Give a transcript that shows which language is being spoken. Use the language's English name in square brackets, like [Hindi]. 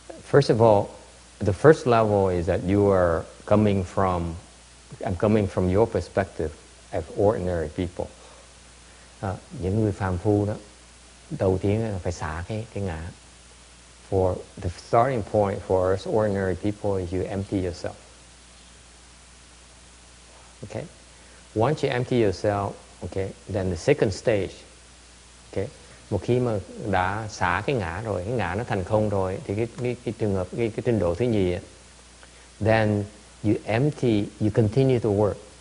[English] First of all, the first level is that you are coming from, I'm coming from your perspective as ordinary people. [Vietnamese] Những người phàm phu đó, đầu tiên là phải xả cái ngã. [English] For the starting point for us ordinary people is you empty yourself. Okay? Once you empty yourself, okay, then the second stage, okay, [Vietnamese] một khi mà đã xả cái ngã nó thành không rồi, thì cái trường hợp, cái trình độ thứ nhì, [English] then you empty, you continue to work.